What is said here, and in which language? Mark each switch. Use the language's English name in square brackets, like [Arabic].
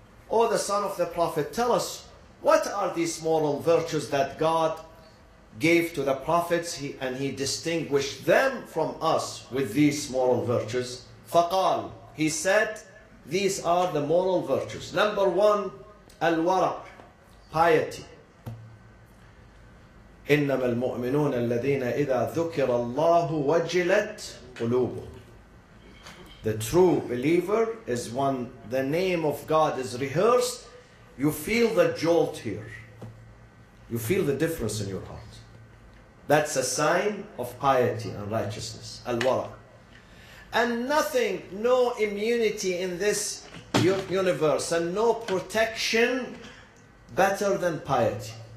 [English] O the son of the Prophet, tell us, what are these moral virtues that God gave to the prophets, and he distinguished them from us with these moral virtues? [Arabic] فقال, [English] he said, these are the moral virtues. Number one, الورع, piety. [Arabic] إنما المؤمنون الذين إذا ذكر الله وجلت قلوبهم. [English] The true believer is when the name of God is rehearsed, you feel the jolt here. You feel the difference in your heart. That's a sign of piety and righteousness, al-wara. And nothing, no immunity in this universe, and no protection better than piety.